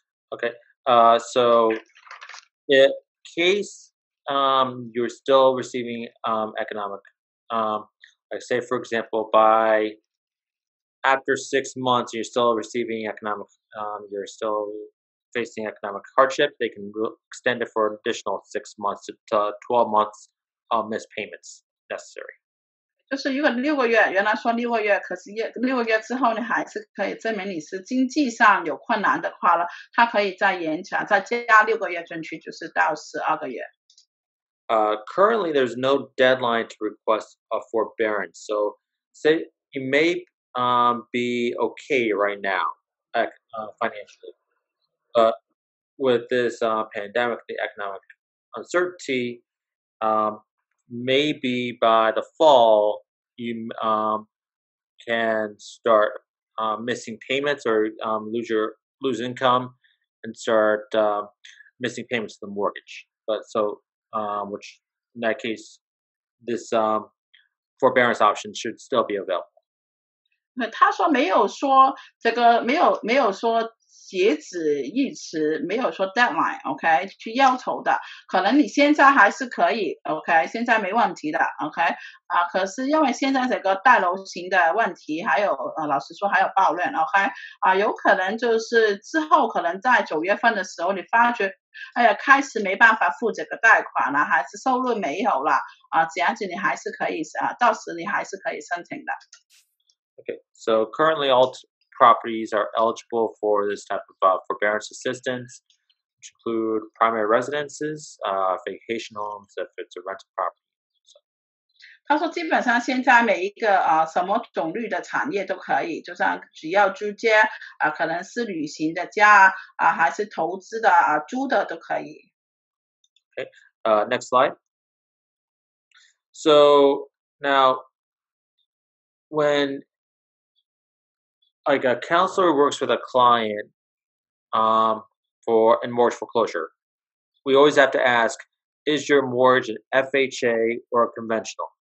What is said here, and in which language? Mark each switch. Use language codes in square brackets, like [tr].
[en] Okay, so in case you're still receiving economic, like say for example, by after 6 months you're still receiving economic, you're still facing economic hardship, they can extend it for an additional 6 months to 12 months of missed payments necessary. [zh] 就是如果六个月，原来说六个月，可是六个月之后你还是可以证明你是经济上有困难的话呢，他可以再延长，再加六个月进去，就是到12个月。 [en] Currently, there's no deadline to request a forbearance. So say you may be okay right now financially. But with this pandemic, the economic uncertainty, maybe by the fall, you can start missing payments or lose income and start missing payments to the mortgage. But so, which in that case, this forbearance option should still be available. [zh] 他说没有说这个没有说截止日期，没有说 deadline， OK， 去要求的，可能你现在还是可以， OK， 现在没问题的， OK， 可是因为现在这个贷楼型的问题，还有老实说还有抱怨， OK， 有可能就是之后可能在9月份的时候，你发觉，哎呀，开始没办法付这个贷款了，还是收入没有了，这样子你还是可以到时你还是可以申请的。 [en] Okay, so currently all properties are eligible for this type of forbearance assistance, which include primary residences, vacation homes, if it's a rental property. So. [zh] 他说基本上现在每一个什么种类的产业都可以，就像只要租家可能是旅行的家还是投资的租的都可以。 [en] Okay, next slide. So now, when, like a counselor works with a client for a mortgage foreclosure, we always have to ask, is your mortgage an FHA or a conventional?